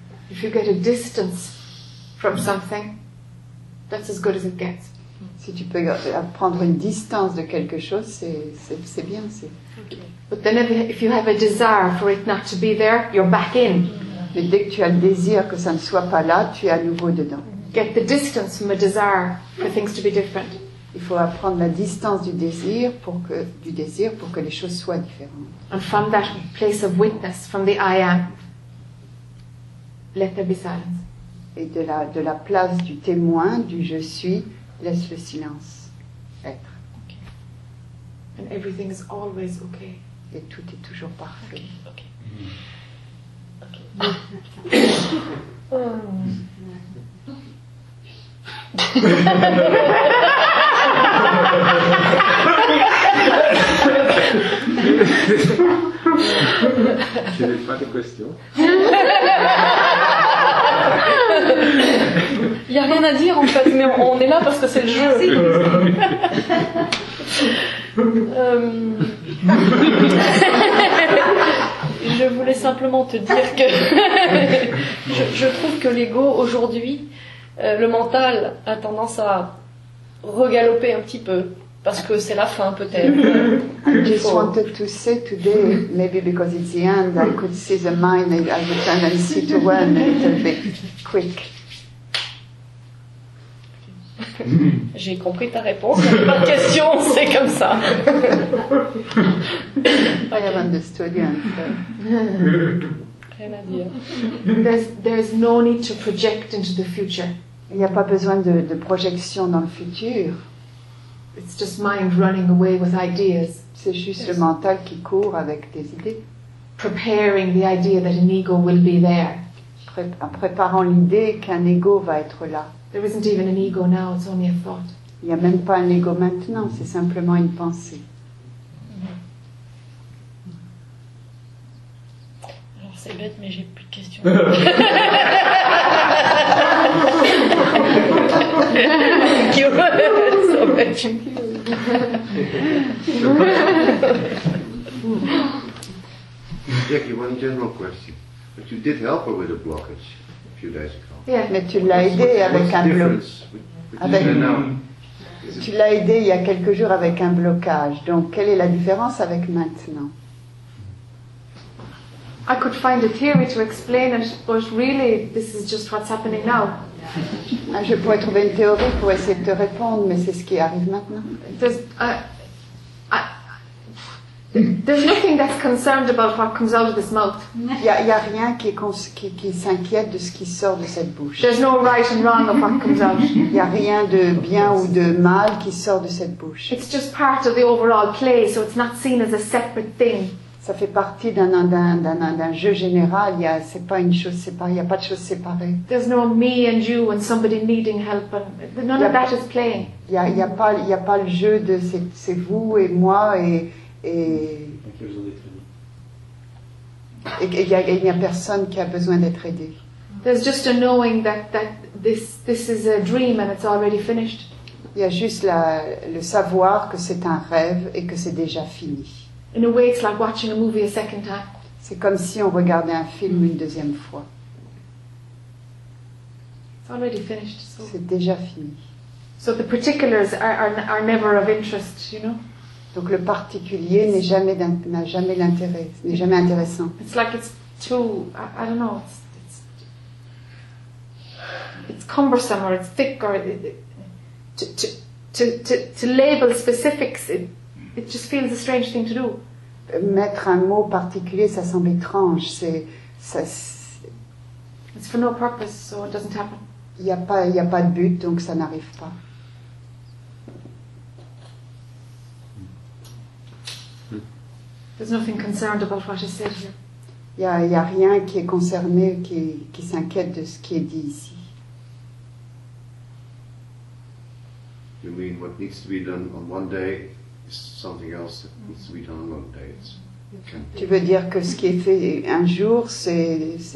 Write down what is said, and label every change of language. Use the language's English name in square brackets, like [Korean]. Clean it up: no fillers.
[English] If you get a distance from something, that's as good as it gets. [French] Si tu peux prendre une distance de quelque chose, c'est bien, c'est. [English] Okay. But then if you have a desire for it not to be there, you're back in. [French] Mais dès que tu as le désir que ça ne soit pas là, tu es à nouveau dedans. [English] Get the distance from a desire for things to be different. [French] Il faut apprendre la distance du désir pour que les choses soient différentes. [English] And from that place of witness, from the I am, let there be silence. [French] Et de la place du témoin, du je suis, laisse le silence être. [English] Okay. And everything is always okay. [French] Et tout est toujours parfait. [English] Okay. [French] Je n'ai pas de questions. Il n'y a rien à dire en fait, mais on est là parce que c'est le jeu. Je voulais simplement te dire que je trouve que l'ego aujourd'hui, le mental a tendance à regalopper un petit peu parce que c'est la fin peut-être. [English] I just wanted to say today, maybe because it's the end, I could see the mind has a tendency to run a little bit quick. [French] J'ai compris ta réponse. Pas de question, c'est comme ça. [English] I have understood the answer. [French] Rien à dire. [English] There's no need to project into the future. [French] Il n'y a pas besoin de projection dans le futur. [English] It's just mind running away with ideas. [French] C'est juste le mental qui court avec des idées. [English] Preparing the idea that an ego will be there. [French] En préparant l'idée qu'un ego va être là. [English] There isn't even an ego now, it's only a thought. [French] Il n'y a même pas un ego maintenant, c'est simplement une pensée. Alors c'est bête, mais j'ai plus de questions. Guillaume, c'est bête. [English] Jackie, one general question. But you did help her with the blockage a few days ago. [French] Yeah. Mais tu l'as aidé avec un blocage. Tu l'as aidé il y a quelques jours avec un blocage. Donc, quelle est la différence avec maintenant? [English] I could find a theory to explain it, but really, this is just what's happening now. [French] Je pourrais trouver une théorie pour essayer de te répondre, mais c'est ce qui arrive maintenant. [English] There's nothing that's concerned about what comes out of this mouth. [French] Y a rien qui s'inquiète de ce qui sort de cette bouche. [English] There's no right and wrong of what comes out. [French] Y a rien de bien ou de mal qui sort de cette bouche. [English] It's just part of the overall play, so it's not seen as a separate thing. [French] Ça fait partie d'un jeu général. C'est pas une chose séparée. Y a pas de chose séparée. [English] There's no me and you and somebody needing help. And none of that is playing. [French] Y a pas le jeu de c'est vous et moi et il n'y a personne qui a besoin d'être aidé. [English] There's just a knowing that this is a dream and it's already finished. [French] Il y a juste le savoir que c'est un rêve et que c'est déjà fini. [English] In a way, it's like watching a movie a second time. [French] C'est comme si on regardait un film une deuxième fois. [English] It's already finished. So. [French] C'est déjà fini. [English] So the particulars are never of interest, you know. [French] Donc le particulier n'a jamais l'intérêt, n'est jamais intéressant. [English] It's like it's too, I don't know, it's cumbersome or it's thick or to label specifics, it just feels a strange thing to do. [French] Mettre un mot particulier, ça semble étrange. [English] It's for no purpose, so it doesn't happen. [French] Il y a pas de but, donc ça n'arrive pas. [English] There's nothing concerned about what is said here. [French] Y a rien qui est concerné, qui s'inquiète de ce qui est dit ici. [English] You mean what needs to be done on one day is something else that needs to be done on another day? [French] Tu veux dire que ce qui est fait un jour, c'est